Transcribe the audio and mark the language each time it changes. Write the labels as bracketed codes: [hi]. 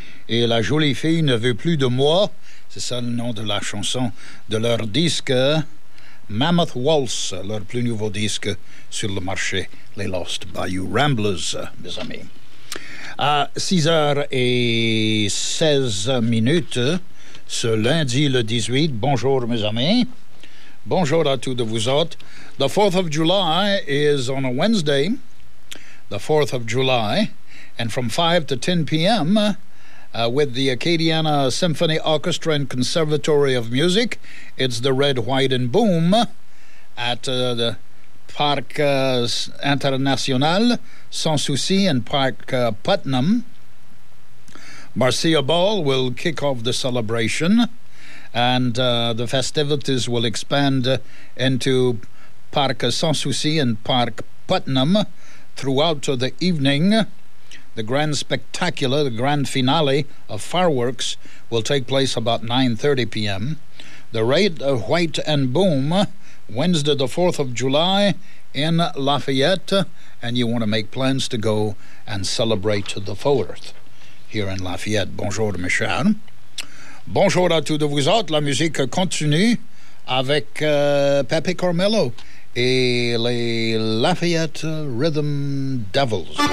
[fr] Et La Jolie Fille ne veut plus de moi. C'est ça le nom de la chanson de leur disque Mammoth Waltz, leur plus nouveau disque sur le marché. Les Lost Bayou Ramblers, mes amis. À 6h16, ce lundi le 18, bonjour mes amis. Bonjour à tous de vous autres. [en] The 4th of July is on a Wednesday. The 4th of July. And from 5 to 10 p.m. With the Acadiana Symphony Orchestra and Conservatory of Music, it's the Red, White and Boom at the Parc International Sans Souci in Parc Putnam. Marcia Ball will kick off the celebration. And the festivities will expand into Parc Sans Souci and Parc Putnam throughout the evening. The grand spectacular, the grand finale of fireworks, will take place about 9:30 p.m. The Red, White and Boom, Wednesday the 4th of July in Lafayette. And you want to make plans to go and celebrate the 4th here in Lafayette. [fr] Bonjour, Michel. Bonjour à tous de vous autres. La musique continue avec Pepe Carmelo et les Lafayette Rhythm Devils.